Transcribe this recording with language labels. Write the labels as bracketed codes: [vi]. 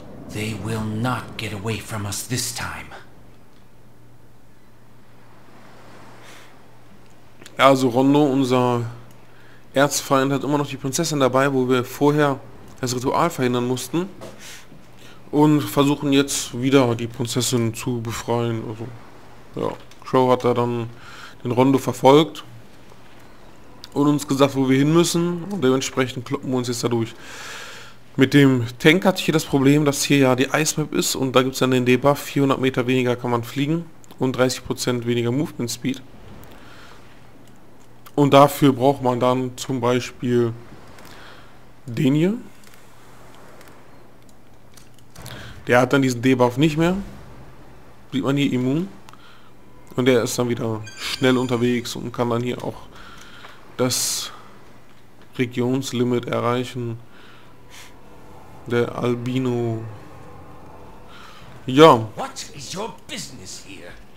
[en] They will not get away from us this time. [de] Ja, also Rondo, unser Erzfeind, hat immer noch die Prinzessin dabei, wo wir vorher das Ritual verhindern mussten. Und versuchen jetzt wieder die Prinzessin zu befreien. Also, ja, Crow hat da dann den Rondo verfolgt. Und uns gesagt, wo wir hin müssen. Und dementsprechend kloppen wir uns jetzt da durch. Mit dem Tank hatte ich hier das Problem, dass hier ja die Ice-Map ist und da gibt es dann den Debuff, 400 Meter weniger kann man fliegen und 30% weniger Movement Speed. Und dafür braucht man dann zum Beispiel den hier. Der hat dann diesen Debuff nicht mehr, sieht man hier immun. Und der ist dann wieder schnell unterwegs und kann dann hier auch das Regionslimit erreichen. Der Albino. [en] Ja. What is your business here?